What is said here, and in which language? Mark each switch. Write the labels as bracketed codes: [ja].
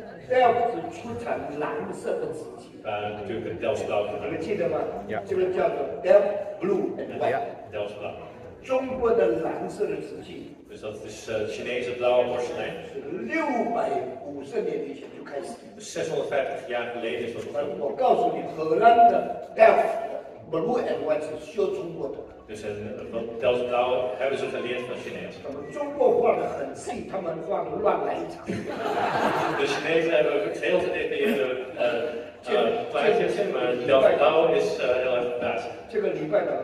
[zh] Delft 出产蓝色的瓷器。就跟 Delft 到你们记得吗？ Yeah. 这个叫做 Delft Blue and White。 Delft Blue。中国的蓝色的瓷器。 [nl] Dus dat is Chinese blauwe porselein。 [zh] 650年以前就开始。 [nl] 650 jaar geleden is dat begonnen。 [zh] 我告诉你，荷兰的 Delft Blue and White 是学中国的。 [nl] Dus Delft Blauwe hebben ze geleerd van Chinees. De Chinezen hebben ook heel gedetailleerde plaatjes, maar Delft Blauwe is heel erg